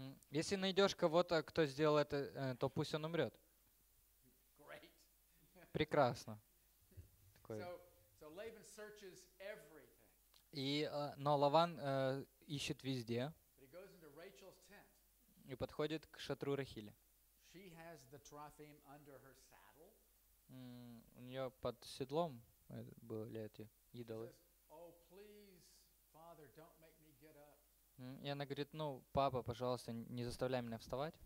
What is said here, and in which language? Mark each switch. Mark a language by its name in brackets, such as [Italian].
[Russian] если найдешь кого-то, кто сделал это, то пусть он умрет. Прекрасно. [English] So Laban searches everything. [Russian] И, но Лаван ищет везде. [English] But he goes into Rachel's tent. [Russian] И подходит к шатру Рахили. [English] She has the trophim under her saddle. [Russian] У нее под седлом были эти идолы. [English] She says, oh, please, father, don't make me get up. [Russian] И она говорит, ну, папа, пожалуйста, не заставляй меня вставать.